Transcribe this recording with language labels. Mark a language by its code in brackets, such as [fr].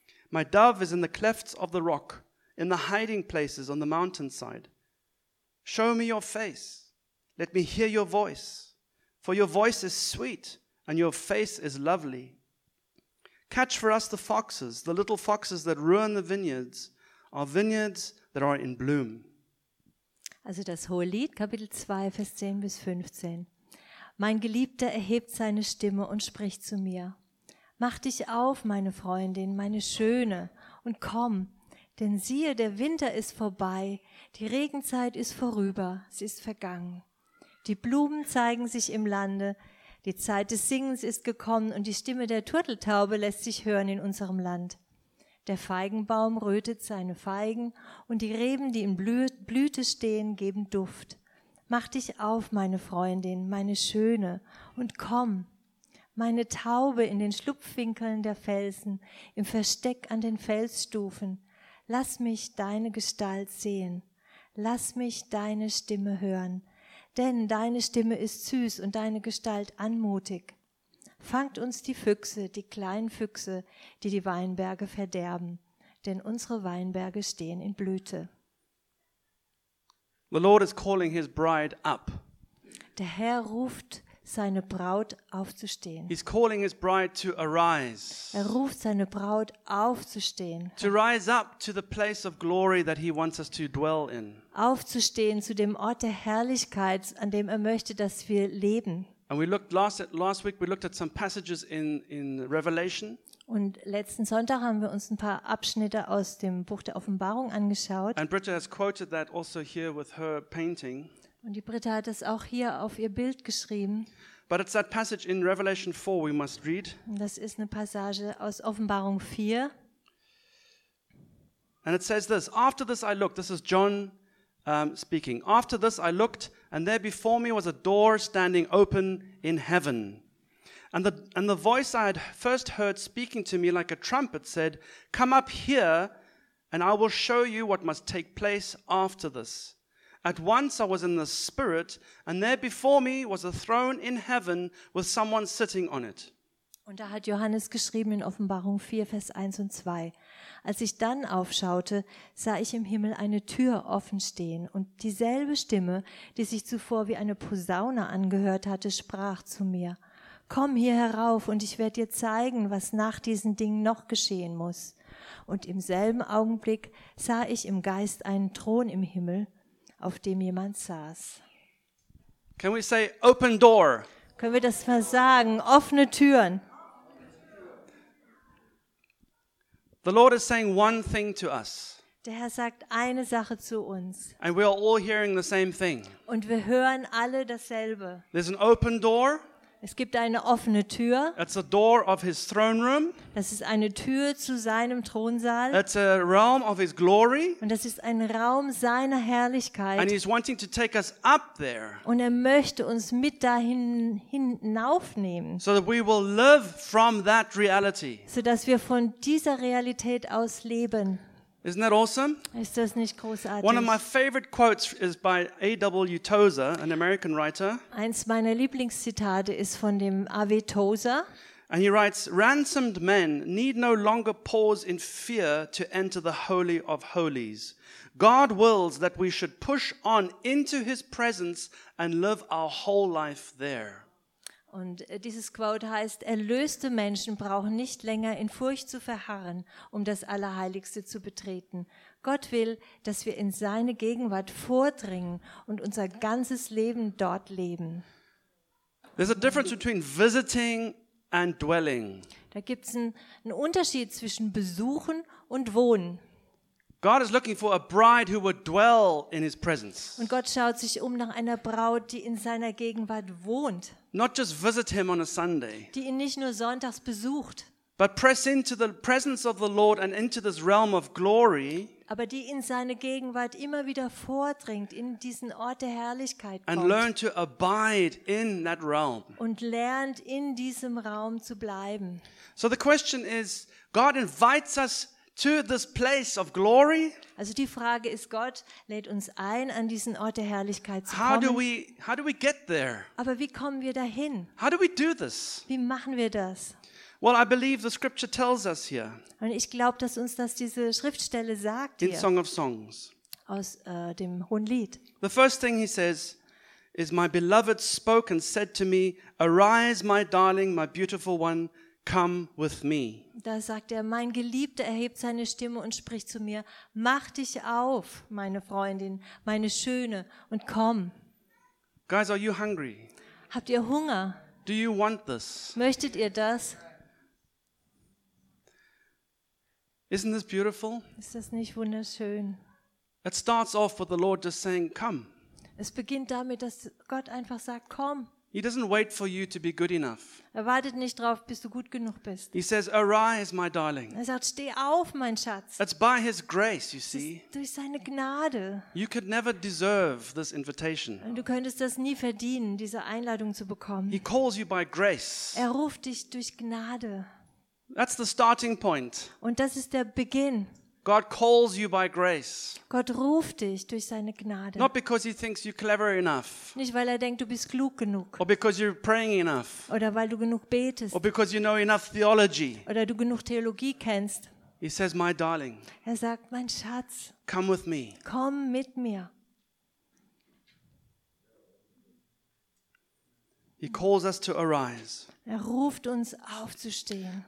[en] My dove is in the clefts of the rock, in the hiding places on the mountainside. Show me your face. Let me hear your voice, for your voice is sweet and your face is lovely. Catch for us the foxes, the little foxes that ruin the vineyards, our vineyards that are in bloom. [de] Also das Hohelied, Kapitel 2, Vers 10 bis 15. Mein Geliebter erhebt seine Stimme und spricht zu mir. Mach dich auf, meine Freundin, meine Schöne, und komm, denn siehe, der Winter ist vorbei, die Regenzeit ist vorüber, sie ist vergangen. Die Blumen zeigen sich im Lande, die Zeit des Singens ist gekommen und die Stimme der Turteltaube lässt sich hören in unserem Land. Der Feigenbaum rötet seine Feigen und die Reben, die in Blüte stehen, geben Duft. Mach dich auf, meine Freundin, meine Schöne, und komm, meine Taube in den Schlupfwinkeln der Felsen, im Versteck an den Felsstufen, lass mich deine Gestalt sehen, lass mich deine Stimme hören. Denn deine Stimme ist süß und deine Gestalt anmutig. Fangt uns die Füchse, die kleinen Füchse, die die Weinberge verderben. Denn unsere Weinberge stehen in Blüte. [en] The Lord is calling his bride up. [de] Der Herr ruft seine Braut aufzustehen. [en] He's calling his bride to arise. [de] Er ruft seine Braut aufzustehen. [en] To rise up to the place of glory that he wants us to dwell in. [de] Aufzustehen zu dem Ort der Herrlichkeit, an dem er möchte, dass wir leben. [en] And we looked last week we looked at some passages in Revelation. [de] Und letzten Sonntag haben wir uns ein paar Abschnitte aus dem Buch der Offenbarung angeschaut. [en] And Britta has quoted that also here with her painting. [de] Und die Britta hat das auch hier auf ihr Bild geschrieben. [en] But it's that passage in Revelation 4 we must read. [de] Das ist eine Passage aus Offenbarung 4. [en] And it says this, after this I looked, this is John speaking. After this I looked, and there before me was a door standing open in heaven. And the voice I had first heard speaking to me like a trumpet said, come up here, and I will show you what must take place after this. At once I was in the spirit, and there before me was a throne in heaven with someone sitting on it. [de] Und da hat Johannes geschrieben in Offenbarung 4, Vers 1 und 2. Als ich dann aufschaute, sah ich im Himmel eine Tür offen stehen und dieselbe Stimme, die sich zuvor wie eine Posaune angehört hatte, sprach zu mir: Komm hier herauf und ich werde dir zeigen, was nach diesen Dingen noch geschehen muss. Und im selben Augenblick sah ich im Geist einen Thron im Himmel, auf dem jemand saß. [en] Can we say open door? [de] Können wir das mal sagen? Offene Türen. [en] The Lord is saying one thing to us. [de] Der Herr sagt eine Sache zu uns. [en] And we are all hearing the same thing. [de] Und wir hören alle dasselbe. [en] There's an open door. [de] Es gibt eine offene Tür. [en] It's a door of his throne room. [de] Das ist eine Tür zu seinem Thronsaal. [en] It's a realm of his glory. [de] Und das ist ein Raum seiner Herrlichkeit. [en] And he's wanting to take us up there. [de] Und er möchte uns mit dahin hinaufnehmen. [en] So that we will live from that reality. [de] So dass wir von dieser Realität aus leben. [en] Isn't that awesome? [de] Ist das nicht großartig? [en] One of my favorite quotes is by A.W. Tozer, an American writer. [de] Eins meiner Lieblingszitate ist von dem A.W. Tozer. [en] And he writes, "Ransomed men need no longer pause in fear to enter the Holy of Holies. God wills that we should push on into his presence and live our whole life there." [de] Und dieses Quote heißt: Erlöste Menschen brauchen nicht länger in Furcht zu verharren, um das Allerheiligste zu betreten. Gott will, dass wir in seine Gegenwart vordringen und unser ganzes Leben dort leben. [en] There's a difference between visiting and dwelling. [de] Da gibt's einen Unterschied zwischen Besuchen und Wohnen. [en] God is looking for a bride who would dwell in his presence. [de] Und Gott schaut sich um nach einer Braut, die in seiner Gegenwart wohnt. [en] Not just visit him on a Sunday. [de] Die ihn nicht nur sonntags besucht. [en] But press into the presence of the Lord and into this realm of glory. [de] Aber die in seine Gegenwart immer wieder vordringt, in diesen Ort der Herrlichkeit kommt. [en] And learn to abide in that realm. [de] Und lernt in diesem Raum zu bleiben. [en] So the question is, God invites us to this place of glory. [de] Also die Frage ist, Gott lädt uns ein, an diesen Ort der Herrlichkeit zu kommen. [en] How do we get there? [de] Aber wie kommen wir dahin? [en] How do we do this? [de] Wie machen wir das? [en] Well, I believe the scripture tells us here. [de] Und ich glaube, dass uns das diese Schriftstelle sagt hier. [en] In Song of Songs. [de] Aus dem Hohenlied. [en] The first thing he says is, "My beloved spoke and said to me, arise, my darling, my beautiful one. Come with me." [de] Da sagt er: Mein Geliebter erhebt seine Stimme und spricht zu mir: Mach dich auf, meine Freundin, meine Schöne, und komm. [en] Guys, are you hungry? [de] Habt ihr Hunger? [en] Do you want this? [de] Möchtet ihr das? [en] Isn't this beautiful? [de] Ist das nicht wunderschön? [en] It starts off with the Lord just saying, "Come." [de] Es beginnt damit, dass Gott einfach sagt: Komm. [en] He doesn't wait for you to be good enough. [de] Er wartet nicht drauf, bis du gut genug bist. [en] He says, "Arise, my darling." [de] Er sagt: Steh auf, mein Schatz. [en] It's by his grace, you see. [de] Durch seine Gnade. [en] You could never deserve this invitation. [de] Und du könntest das nie verdienen, diese Einladung zu bekommen. [en] He calls you by grace. [de] Er ruft dich durch Gnade. [en] That's the starting point. [de] Und das ist der Beginn. [en] God calls you by grace. [de] Gott ruft dich durch seine Gnade. [en] Not because he thinks you're clever enough. [de] Nicht weil er denkt, du bist klug genug. [en] Or because you're praying enough. [de] Oder weil du genug betest. [en] Or because you know enough theology. [de] Oder du genug Theologie kennst. [en] He says, "My darling." [de] Er sagt: Mein Schatz. [en] Come with me. [de] Komm mit mir. [en] He calls us to arise. [de] Er ruft uns aufzustehen.